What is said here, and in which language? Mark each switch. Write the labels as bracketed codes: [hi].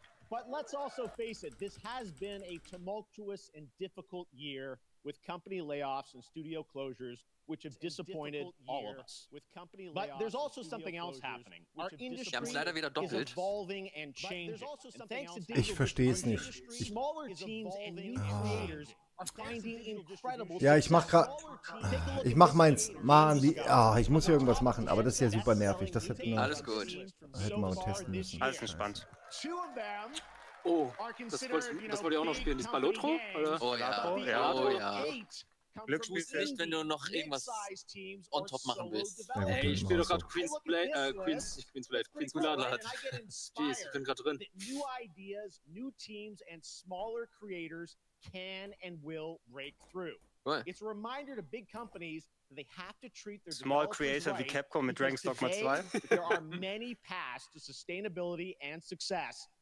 [en] But let's also face it, this has been a tumultuous and difficult year with company layoffs and studio closures, which have disappointed all of us. But there's also something else happening. Our industry is evolving and changing. [de] Ich verstehe es nicht. [en] Smaller teams and new creators are finding incredible. [de] Ja, ich mach grad. Ich mach meins. Mann, wie. Ah, oh, ich muss hier irgendwas machen, aber das ist ja super nervig. Das hätten wir. Alles gut. Hätten wir testen müssen. Alles entspannt. Oh, das wollt ihr auch noch spielen, das Balotro? Oder? Oh ja, ja. Oh, ja. Du nicht, wenn du noch irgendwas on top machen willst. Ja, gut, hey, ich spiele doch gerade Queen's Blade, Queen's, nicht Queen's Blade, Queen's Gulada. Jeez, ich bin gerade drin. [en] New ideas, new teams and smaller creators can and will break through. What? It's a reminder to big companies that they have to treat their small creator [de] wie Capcom mit Dragon's Dogma 2. [en] There are many paths to sustainability and success.